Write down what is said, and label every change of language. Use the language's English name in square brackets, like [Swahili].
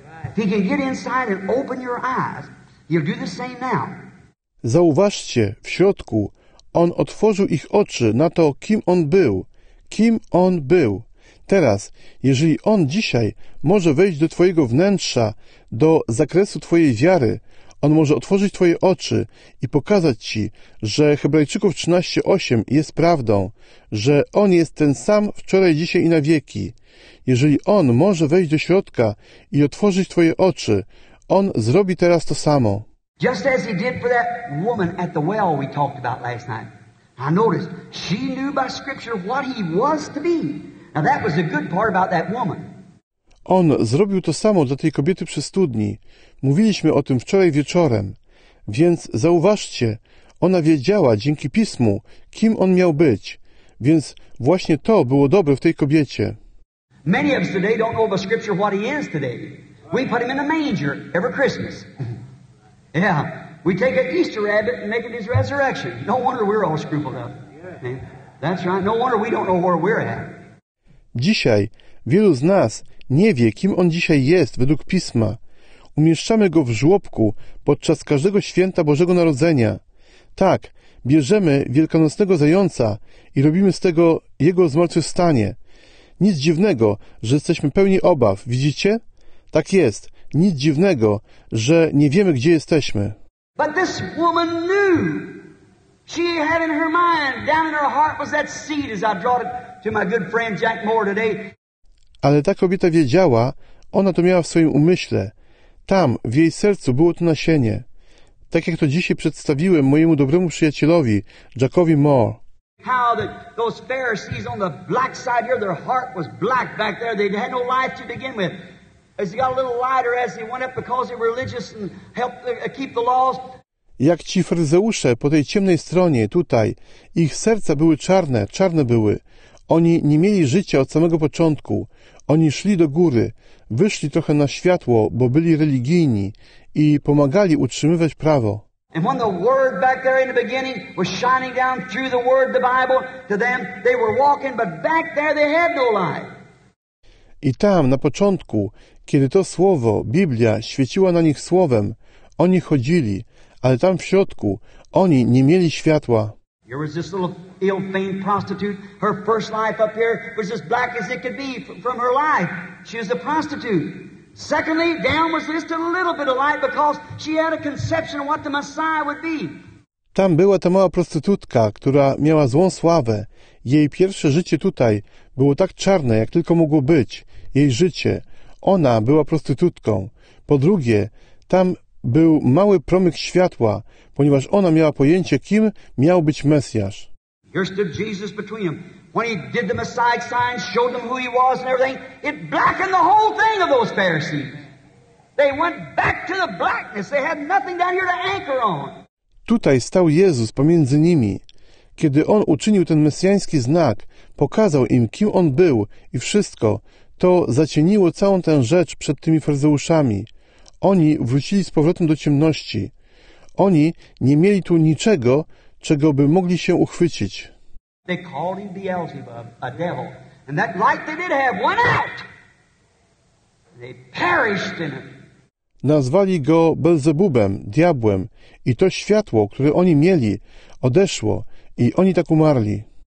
[English] If he can get inside and open your eyes, he'll do the same now. [Polish] Zauważcie, w środku on otworzył ich oczy na to, kim on był. Kim on był. Teraz, jeżeli on dzisiaj może wejść do twojego wnętrza, do zakresu twojej wiary, on może otworzyć twoje oczy i pokazać ci, że Hebrajczyków 13:8 jest prawdą, że on jest ten sam wczoraj, dzisiaj i na wieki. Jeżeli on może wejść do środka i otworzyć twoje oczy, on zrobi teraz to samo. [English] Just as he did for that woman at the well we talked about last night. I noticed she knew by scripture what he was to be. Now that was the good part about that woman. [Polish] On zrobił to samo dla tej kobiety przy studni. Mówiliśmy o tym wczoraj wieczorem. Więc zauważcie, ona wiedziała dzięki Pismu, kim on miał być. Więc właśnie to było dobre w tej kobiecie. [English] Many of us today don't know by scripture what he is today. We put him in a manger every Christmas. Yeah, we take an Easter rabbit and make it his resurrection. No wonder we're all scrupled up. That's right, no wonder we don't know where we're at. [Polish] Dzisiaj wielu z nas nie wie, kim on dzisiaj jest według Pisma. Umieszczamy go w żłobku podczas każdego święta Bożego Narodzenia. Tak, bierzemy wielkanocnego zająca i robimy z tego jego zmartwychwstanie. Nic dziwnego, że jesteśmy pełni obaw, widzicie? Tak jest, nic dziwnego, że nie wiemy, gdzie jesteśmy. [English] But this woman knew. She had in her mind, down in her heart was that seed as I brought it to my good friend Jack Moore today. [Polish] Ale ta kobieta wiedziała, ona to miała w swoim umyśle. Tam, w jej sercu, było to nasienie. Tak jak to dzisiaj przedstawiłem mojemu dobremu przyjacielowi, Jackowi Moore. [English] How the, those Pharisees on the black side here, their heart was black back there. They had no life to begin with. As he got a little lighter as he went up because they were religious and helped keep the laws. [Polish] Jak ci faryzeusze po tej ciemnej stronie, tutaj, ich serca były czarne, czarne były. Oni nie mieli życia od samego początku. Oni szli do góry, wyszli trochę na światło, bo byli religijni i pomagali utrzymywać prawo. [English] And when the word back there in the beginning was shining down through the word, the Bible, to them, they were walking, but back there they had no life. [Polish] I tam, na początku, kiedy to słowo, Biblia, świeciła na nich słowem, oni chodzili, ale tam w środku, oni nie mieli światła. [English] Here was this little ill-famed prostitute. Her first life up here was as black as it could be from her life. She was a prostitute. Secondly, down was just a little bit of light because she had a conception of what the Messiah would be. [Polish] Tam była ta mała prostytutka, która miała złą sławę. Jej pierwsze życie tutaj było tak czarne, jak tylko mogło być. Jej życie. Ona była prostytutką. Po drugie, tam był mały promyk światła, ponieważ ona miała pojęcie, kim miał być Mesjasz. [English] Here stood Jesus between them. When he did the Messiah sign, showed them who he was and everything, it blackened the whole thing of those Pharisees. They went back to the blackness. They had nothing down here to anchor on. [Polish] Tutaj stał Jezus pomiędzy nimi. Kiedy On uczynił ten mesjański znak, pokazał im, kim On był i wszystko, to zacieniło całą tę rzecz przed tymi faryzeuszami. Oni wrócili z powrotem do ciemności. Oni nie mieli tu niczego, czego by mogli się uchwycić. [English] They called him Beelzebub, a devil. And that light they did have went out. They perished in it. [Polish] Nazwali go Belzebubem, diabłem, i to światło, które oni mieli, odeszło, i oni tak umarli.